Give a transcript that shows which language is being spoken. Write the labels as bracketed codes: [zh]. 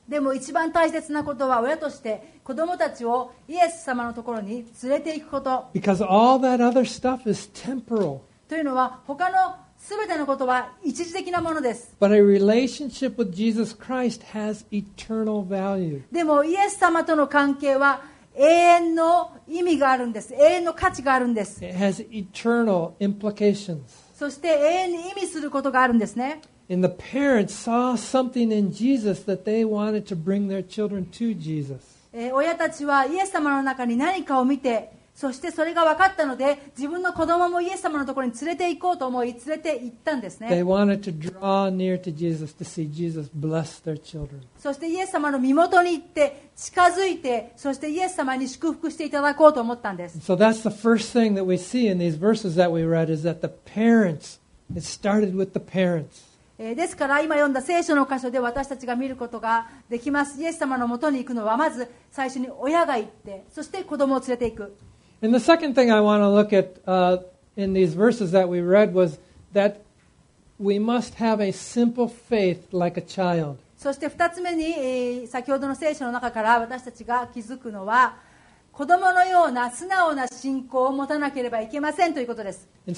[ja] でも一番大切なことは親として子供たちをイエス様のところに連れていくこと。 [en] Because all that other stuff is temporal. [ja] というのは他のすべてのことは一時的なものです。 [en] But a relationship with Jesus Christ has eternal value. [ja] でもイエス様との関係は永遠の意味があるんです。永遠の価値があるんです。 [en] It has eternal implications. [ja] そして永遠に意味することがあるんですね。 [en] And the parents saw something in Jesus that they wanted to bring their children to Jesus. [ja] 親たちはイエス様の中に何かを見て、そしてそれが分かったので、自分の子供もイエス様のところに連れて行こうと思い、連れて行ったんですね。 [en] They wanted to draw near to Jesus to see Jesus bless their children. [ja] そしてイエス様の身元に行って、近づいて、そしてイエス様に祝福していただこうと思ったんです。 [en] So that's the first thing that we see in these verses that we read is that the parents, it started with the parents. [ja] ですから今読んだ聖書の箇所で私たちが見ることができます。イエス様のもとに行くのはまず最初に親が行って、そして子供を連れて行く。 [en] And the second thing I want to look at、in these verses that we read was that we must have a simple faith like a child. [ja] そして二つ目に、先ほどの聖書の中から私たちが気づくのは、子供のような素直な信仰を持たなければいけませんということです。